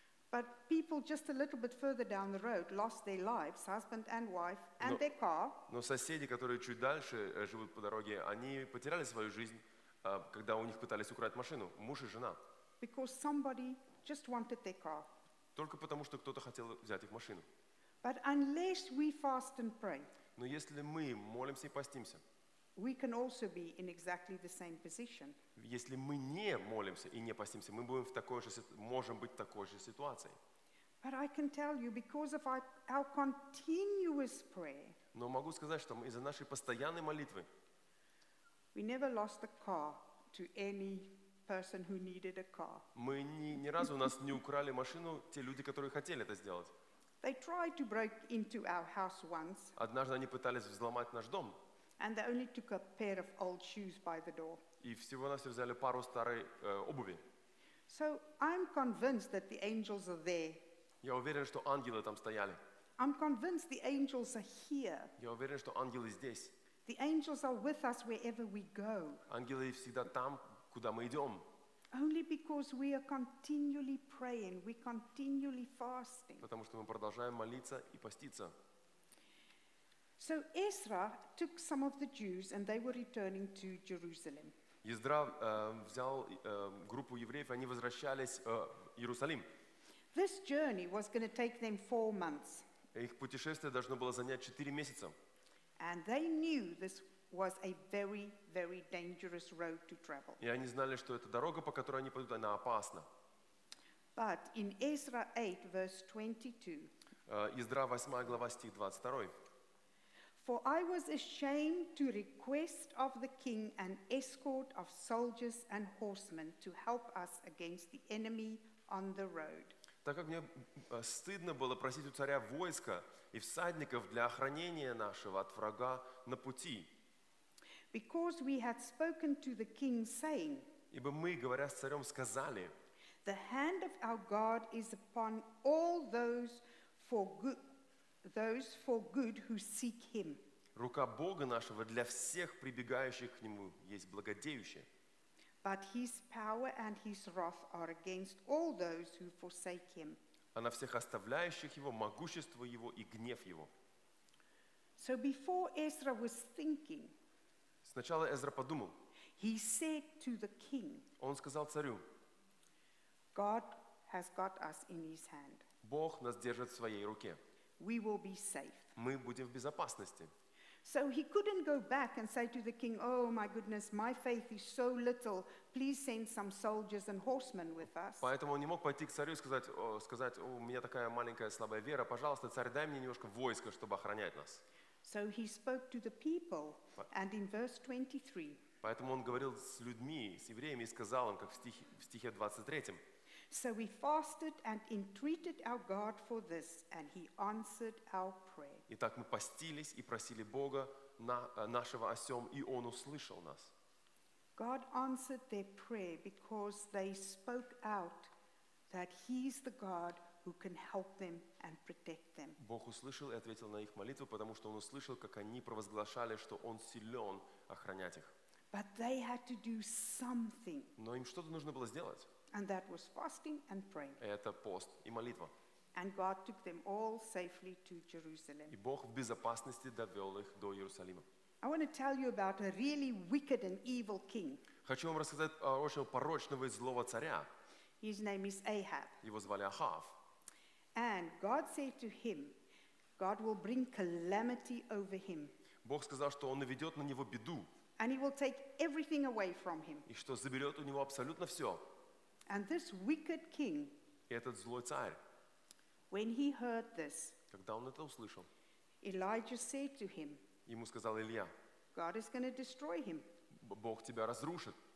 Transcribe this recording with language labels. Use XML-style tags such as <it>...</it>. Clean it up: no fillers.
<en>But people just a little bit further down the road lost their lives, husband and wife, and their car.</en> <ru>Но соседи, которые чуть дальше живут по дороге, они потеряли свою жизнь, когда у них пытались украсть машину, муж и жена.</ru> <en>Because somebody just wanted their car.</en> <ru>Только потому, что кто-то хотел взять их машину.</ru> <en>But unless we fast and pray,</en> <ru>но если мы молимся и постимся,</ru> <en>we can also be in exactly the same position.</en> <ru>Если мы не молимся и не постимся, мы будем в такой же, можем быть в такой же ситуации.</ru> <en>But I can tell you, because of our continuous prayer,</en> <ru>но могу сказать, что из-за нашей постоянной молитвы,</ru> <en>we never lost a car to any person who needed a car.</en> <ru>Мы ни разу у нас не украли машину те люди, которые хотели это сделать.</ru> <en>They tried to break into our house once.</en> <ru>Однажды они пытались взломать наш дом.</ru> <en>And they only took a pair of old shoes by the door.</en> <ru>И всего-навсего взяли пару старой обуви.</ru> <en>So I'm convinced that the angels are there.</en> <ru>Я уверен, что ангелы там стояли.</ru> <en>I'm convinced the angels are here.</en> <ru>Я уверен, что ангелы здесь.</ru> <en>The angels are with us wherever we go.</en> <ru>Ангелы всегда там, куда мы идем.</ru> <en>Only because we are continually praying, we continually fasting.</en> <ru>Потому что мы продолжаем молиться и поститься.</ru> <en>So Ezra took some of the Jews, and they were returning to Jerusalem.</en> <ru>Ездра взял группу евреев, они возвращались в Иерусалим.</ru> <en>This journey was going to take them 4 months.</en> <ru>Их путешествие должно было занять 4 месяца.</ru> <en>And they knew this was a very, very dangerous road to travel.</en> <ru>И они знали, что эта дорога, по которой они пойдут, она опасна.</ru> <en>But in Ezra 8, verse 22.</en> <ru>Ездра 8, глава, стих 22.</ru> <en>For I was ashamed to request of the king an escort of soldiers and horsemen to help us against the enemy on the road.</en> <ru>Так как мне стыдно было просить у царя войска и всадников для охранения нашего от врага на пути.</ru> <en>Because we had spoken to the king saying,</en> <ru>ибо мы, говоря с царем, сказали,</ru> <en>the hand of our God is upon all those for good who seek him.</en> <ru>Рука Бога нашего для всех прибегающих к нему есть благодеющая.</ru> <en>But his power and his wrath are against all those who forsake him.</en> <ru>А на всех оставляющих его, могущество его и гнев его.</ru> <en>So before Ezra was thinking,</en> <ru>сначала Эзра подумал,</ru> <en>he said to the king,</en> <ru>он сказал царю,</ru> <en>God has got us in his hand.</en> <ru>Бог нас держит в своей руке.</ru> <en>We will be safe.</en> <ru>Мы будем в безопасности.</ru> <en>So he couldn't go back and say to the king, "Oh my goodness, my faith is so little. Please send some soldiers and horsemen with us."</en> <ru>Поэтому он не мог пойти к царю и сказать: "О, у меня такая маленькая слабая вера. Пожалуйста, царь, дай мне немножко войска, чтобы охранять нас."</ru> <en>So he spoke to the people, and in verse 23.</en> <ru>Поэтому он говорил с людьми, с евреями, и сказал им, как в стихе 23-м.</ru> <en>So we fasted and entreated our God for this, and He answered our prayer.</en> <ru>Итак, мы постились и просили Бога нашего о сём, и Он услышал нас.</ru> <en>God answered their prayer because they spoke out that He's the God who can help them and protect them.</en> <ru>Бог услышал и ответил на их молитву, потому что Он услышал, как они провозглашали, что Он силён охранять их.</ru> <en>But they had to do something.</en> <ru>Но им что-то нужно было сделать.</ru> <en>And that was fasting and praying.</en> <ru>Это пост и молитва.</ru> <en>And God took them all safely to Jerusalem.</en> <ru>И Бог в безопасности довел их до Иерусалима.</ru> <en>I want to tell you about a really wicked and evil king.</en> <ru>Хочу вам рассказать о очень порочного и злого царя.</ru> <en>His name is Ahab.</en> <ru>Его звали Ахав.</ru> <en>And God said to him, God will bring calamity over him.</en> <ru>Бог сказал, что он наведет на него беду.</ru> <en>And he will take everything away from him.</en> <ru>И что заберет у него абсолютно все.</ru> <en>And this wicked king,</en> <ru>этот злой царь,</ru> <en>when he heard this,</en> <ru>когда он это услышал,</ru> <en>Elijah said to him,</en> <ru>ему сказал Илья,</ru> <en>God is going to destroy him.</en> <ru>Бог тебя разрушит.</ru>